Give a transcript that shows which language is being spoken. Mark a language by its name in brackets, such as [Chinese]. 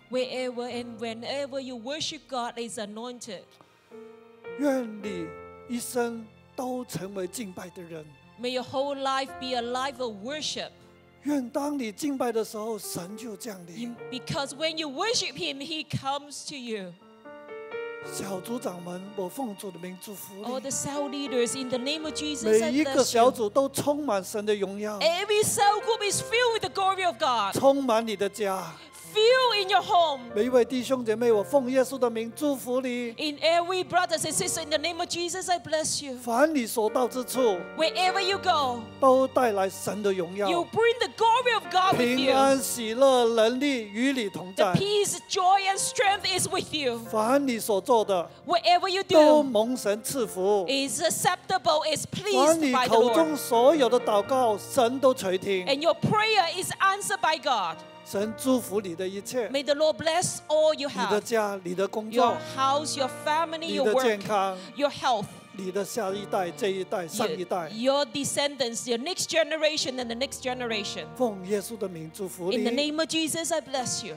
[English] Wherever and whenever you worship God is anointed. [Chinese] 愿你一生都成为敬拜的人。 [English] May your whole life be a life of worship. [Chinese] 愿当你敬拜的时候，神就降临。 [English] Because when you worship Him, He comes to you. [Chinese] 小组长们，我奉主的名祝福你。 [English] All the cell leaders, in the name of Jesus, [Chinese] 每一个小组都充满神的荣耀。 [English] Every cell group is filled with the glory of God. [Chinese] 充满你的家。 [English] Fill in your home. [Chinese] 每一位弟兄姐妹，我奉耶稣的名祝福你。 [English] In every brothers and sisters, in the name of Jesus, I bless you. [Chinese] 凡你所到之处， [English] wherever you go, [Chinese] 都带来神的荣耀。 [English] You bring the glory of God with you. [Chinese] 平安、喜乐、能力与你同在。 [English] The peace, joy, and strength is with you. [Chinese] 凡你所做的， [English] whatever you do, [Chinese] 都蒙神赐福。 [English] Is acceptable, is pleased by the Lord. [Chinese] 凡你口中所有的祷告，神都垂听。 [English] And your prayer is answered by God. [Chinese] 神祝福你的一切。 [English] May the Lord bless all you have. [Chinese] 你的家，你的工作。 [English] Your house, your family, your work. [Chinese] 你的健康。 [English] Your health. [Chinese] 你的下一代，这一代，上一代。 [English] Your descendants, your next generation and the next generation. [Chinese] 奉耶稣的名祝福你。 [English] In the name of Jesus, I bless you.